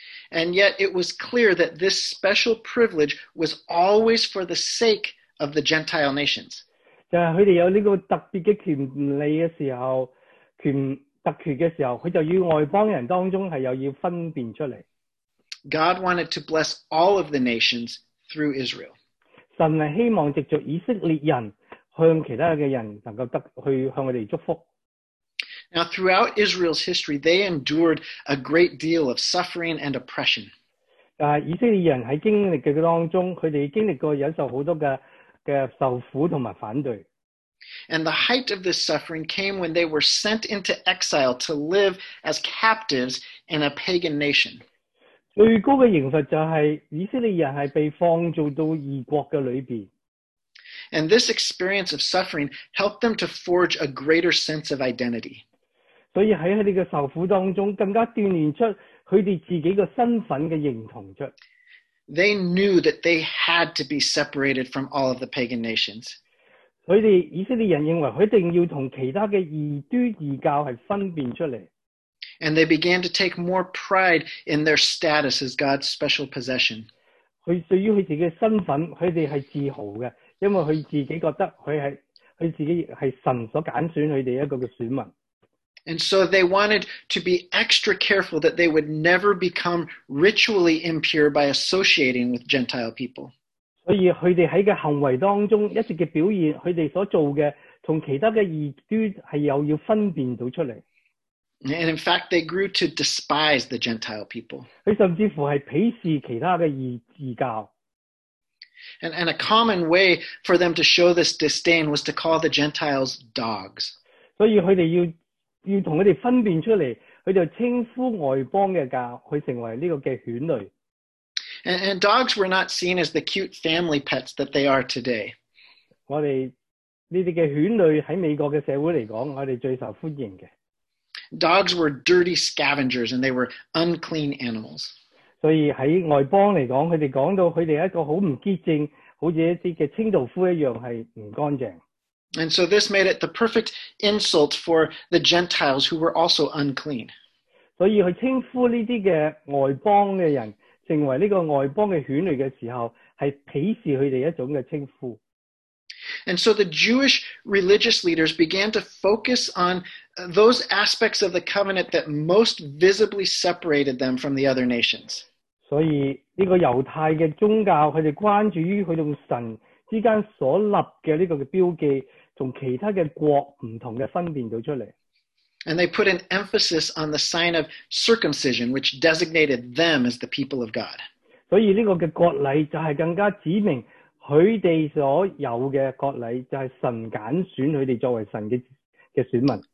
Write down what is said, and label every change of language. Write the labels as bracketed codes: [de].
[en] And yet it was clear that this special privilege was always for the sake of the Gentile nations. [zh] 就是他们有这个特别的权利的时候，特权的时候，他就与外邦人当中是又要分辨出来。 [en] God wanted to bless all of the nations through Israel. [zh] 神是希望藉着以色列人向其他的人能够得去向他们祝福。 [en] Now, throughout Israel's history, they endured a great deal of suffering and oppression. [zh] 以色列人在经历的当中，他们经历过忍受很多的受苦和反对。 [en] And the height of this suffering came when they were sent into exile to live as captives in a pagan nation. [zh] 最高的刑罚就是以色列人是被放逐到异国的里面。 [en] And this experience of suffering helped them to forge a greater sense of identity. [zh] 所以在他们的受苦当中，更加锻炼出他们自己的身份的认同出。 [en] They knew that they had to be separated from all of the pagan nations. [zh] 他们以色列人认为他一定要跟其他的异端异教是分辨出来。 [en] And they began to take more pride in their status as God's special possession. [zh] 他对于他自己的身份，他们是自豪的，因为他自己觉得他自己是神所拣选他们一个选民。 [en] And so they wanted to be extra careful that they would never become ritually impure by associating with Gentile people. [zh] 所以他们在的行为当中一直的表现，他们所做的跟其他的异端是又要分辨到出来。 [en] And in fact, they grew to despise the Gentile people. [zh] 他甚至乎是鄙视其他的异教。 [en] And a common way for them to show this disdain was to call the Gentiles dogs. [zh] 所以他们要跟他们分辨出来，他就称呼外邦的教，他成为这个的犬类。 [en] And dogs were not seen as the cute family pets that they are today. [zh] 我们这些的犬类在美国的社会来讲，我们最受欢迎的。 [en] Dogs were dirty scavengers, and they were unclean animals. [zh] 所以在外邦来讲，他们讲到他们一个很不洁净，好像一些的清道夫一样，是不干净。 [en] And so this made it the perfect insult for the Gentiles who were also unclean. [zh] 所以他称呼这些的外邦的人成为这个外邦的犬类的时候，是鄙视他们一种的称呼。 [en] And so the Jewish religious leaders began to focus on those aspects of the covenant that most visibly separated them from the other nations. [zh] 所以这个犹太的宗教，他们关注于他们神之间所立的这个标记，跟其他的国不同的分辨出来。 [en] And they put an emphasis on the sign of circumcision, which designated them as the people of God. [zh] 所以这个割礼就是更加指明他们所有的割礼，就是神拣选他们作为神 的选民。